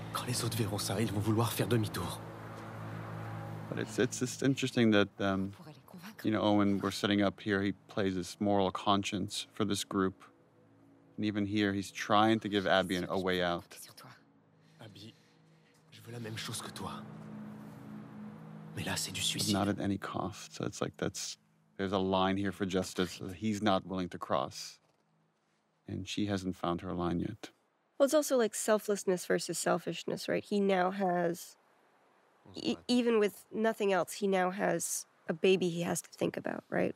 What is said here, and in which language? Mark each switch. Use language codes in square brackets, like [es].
[fr] Quand les autres verront ça, ils vont vouloir faire demi-tour. [en] But it's just interesting that you know, Owen, we're setting up here. He plays this moral conscience for this group, and even here, he's trying to give Abby a way out. [fr] Abby, je veux la même chose que toi. Mais là, c'est du suicide. [en] Not at any cost. So it's like there's a line here for justice that he's not willing to cross. And she hasn't found her line yet. Well, it's also like selflessness versus selfishness, right? He now has, even with nothing else, he now has a baby he has to think about, right?